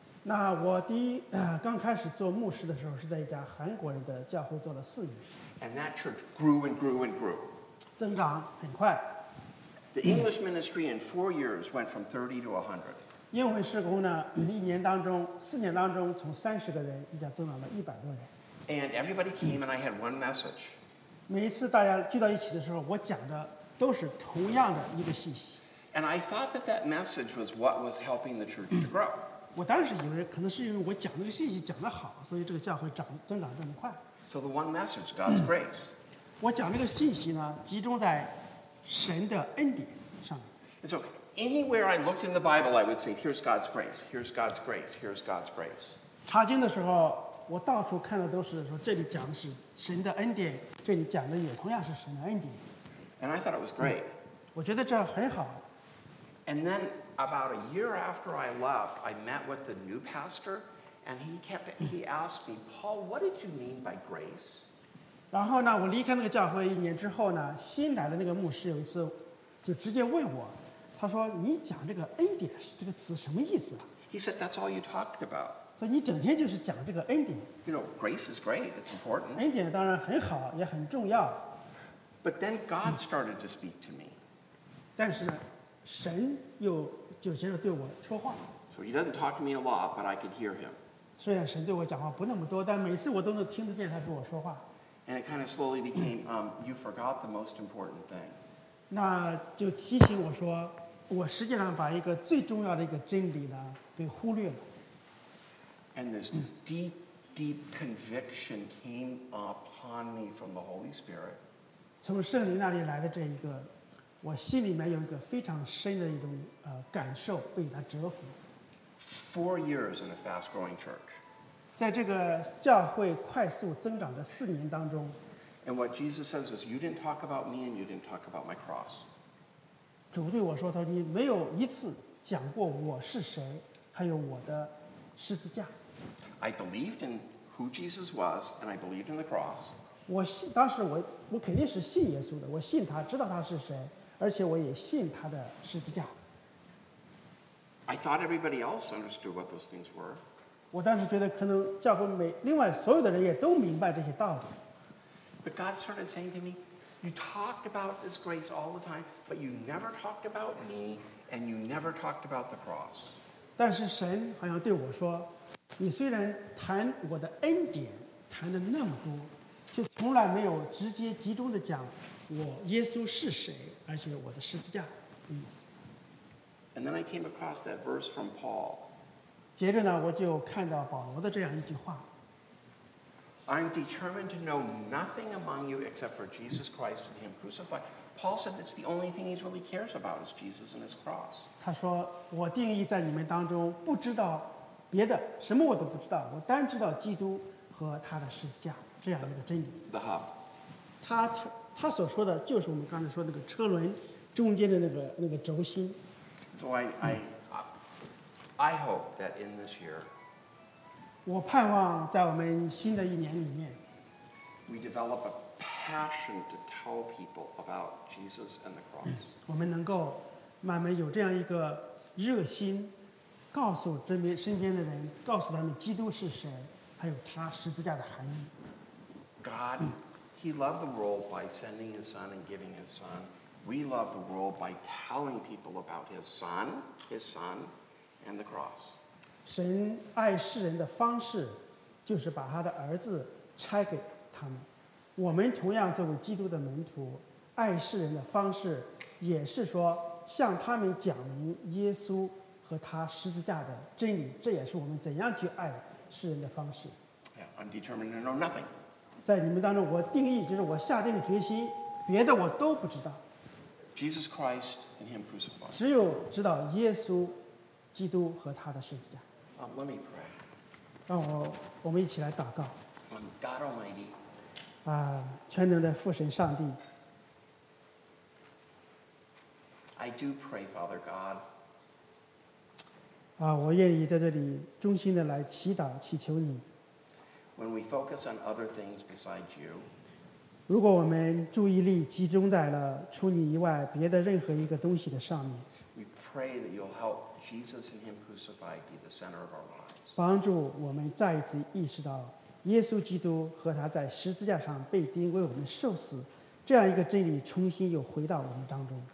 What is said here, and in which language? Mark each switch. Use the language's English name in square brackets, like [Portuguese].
[Chinese] 那我第一刚开始做牧师的时候是在一家韩国人的教会做了四年。 [English] And that church grew and grew and grew. [Chinese] 增长很快。 [English] The English ministry in 4 years went from 30 to 100. [Chinese] 英文事工呢，一年当中，四年当中，从三十个人一下增长了一百多人。 [English] And everybody came, and I had one message. [Chinese] 每一次大家聚到一起的时候，我讲的都是同样的一个信息。 [English] And I thought that that message was what was helping the church to grow. [Chinese] 我当时以为可能是因为我讲那个信息讲得好，所以这个教会增长这么快。 [English] So the one message, God's grace. [Chinese] 我讲这个信息呢，集中在神的恩典上面。 [English] And so anywhere I looked in the Bible, I would say, "Here's God's grace. Here's God's grace. Here's God's grace." [Chinese] 查经的时候。我到处看的都是说，这里讲的是神的恩典，这里讲的也同样是神的恩典。 [English] And I thought it was great. [Chinese] 我觉得这很好。 [English] And then about a year after I left, I met with the new pastor, and he asked me, Paul, what did you mean by grace? [Chinese] 然后呢，我离开那个教会一年之后呢，新来的那个牧师有一次就直接问我，他说，你讲这个恩典这个词什么意思？ [English] He said, that's all you talked about. [Chinese] 所以你整天就是讲这个恩典。 [English] You know, grace is great. It's important. [Chinese] 恩典当然很好，也很重要。 [English] But then God started to speak to me. [Chinese] 但是呢，神又就接着对我说话。 [English] So he doesn't talk to me a lot, but I could hear him. [Chinese] 虽然神对我讲话不那么多，但每次我都能听得见他对我说话。 [English] And it kind of slowly became, you forgot the most important thing. [Chinese] 那就提醒我说，我实际上把一个最重要的一个真理呢给忽略了。 [English] And this deep, deep conviction came upon me from the Holy Spirit. [Chinese] 从圣灵那里来的这一个，我心里面有一个非常深的一种感受，被他折服。 [English] 4 years in a fast-growing church. [Chinese] 在这个教会快速增长的四年当中。 [English] And what Jesus says is, you didn't talk about me and you didn't talk about my cross. [Chinese] 主对我说，你没有一次讲过我是谁，还有我的十字架。 [English] I believed in who Jesus was and I believed in the cross. [Chinese] 我信，当时我肯定是信耶稣的，我信他，知道他是谁，而且我也信他的十字架。 [English] I thought everybody else understood what those things were. [Chinese] 我当时觉得可能教会每另外所有的人也都明白这些道理。 [English] But God started saying to me, you talked about this grace all the time, but you never talked about me, and you never talked about the cross. [Chinese] 但是神好像对我说，你虽然谈我的恩典谈的那么多，却从来没有直接集中的讲我耶稣是谁，而且我的十字架的意思。 [English] And then I came across that verse from Paul. [Chinese] 接着呢，我就看到保罗的这样一句话。 [English] I'm determined to know nothing among you except for Jesus Christ and Him crucified. Paul said it's the only thing he really cares about is Jesus and His cross. [Chinese] 他说，我定义在你们当中不知道别的，什么我都不知道，我单知道基督和他的十字架这样一个真理。 [English] The hub. [Chinese] 他所说的就是我们刚才说那个车轮中间的那个轴心。 [English] So I hope that in this year. [Chinese] 我盼望在我们新的一年里面。 [English] We develop a passion to tell people about Jesus and the cross. [Chinese] 我们能够慢慢有这样一个热心。告诉身边的人，告诉他们基督是谁，还有他十字架的含义。 [English] God, He loved the world by sending His Son and giving His Son. We love the world by telling people about His Son, and the cross. [Chinese] 神爱世人的方式，就是把他的儿子拆给他们。我们同样作为基督的门徒，爱世人的方式，也是说向他们讲明耶稣。和他十字架的真理，这也是我们怎样去爱世人的方式。 [English] Yeah, I'm determined to know nothing. [Chinese] 在你们当中，我定义就是我下定决心，别的我都不知道。 [English] Jesus Christ and Him crucified. [Chinese] 只有知道耶稣基督和他的十字架。 [English] Let me pray. [Chinese] 我们一起来祷告。 [English] God Almighty. [Chinese] 全能的父神上帝。 [English] I do pray, Father God. [Chinese] 我愿意在这里衷心的来祈祷祈求你。 [English] When we focus on other things besides you, [Chinese] 如果我们注意力集中在了除你以外别的任何一个东西的上面， [English] we pray that you'll help Jesus and Him crucified be the center of our lives. [Chinese] 帮助我们再一次意识到耶稣基督和他在十字架上被钉为我们受死这样一个真理重新又回到我们当中。